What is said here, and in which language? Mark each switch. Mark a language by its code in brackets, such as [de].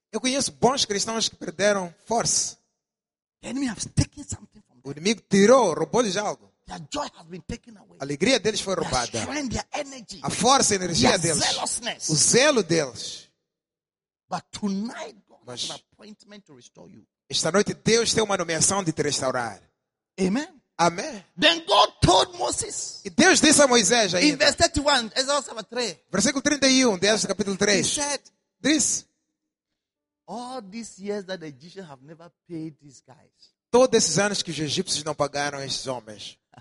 [pt] Eu conheço bons cristãos que perderam força. [en] The enemy has taken something from them. [pt] O inimigo tirou, roubou-lhes algo. [en] Their joy has been taken away. [pt] A alegria deles foi roubada. [en] Their strength, their energy, [pt] a força, a energia [en] their [pt] deles. [en] Zealousness. [pt] O zelo deles. [en] But tonight God has an appointment to restore you. [pt] Esta noite Deus tem uma nomeação de te restaurar. [en] Amen. [pt] Amém. [en] Then God told Moses. [pt] E Deus disse a Moisés ainda. [en] In verse 31, Exodus 3. [pt] Versículo 31, Exodus capítulo 3. [en] He said, this, all these years that the Egyptians have never paid these guys. [pt] Todos esses anos que os egípcios não pagaram esses homens.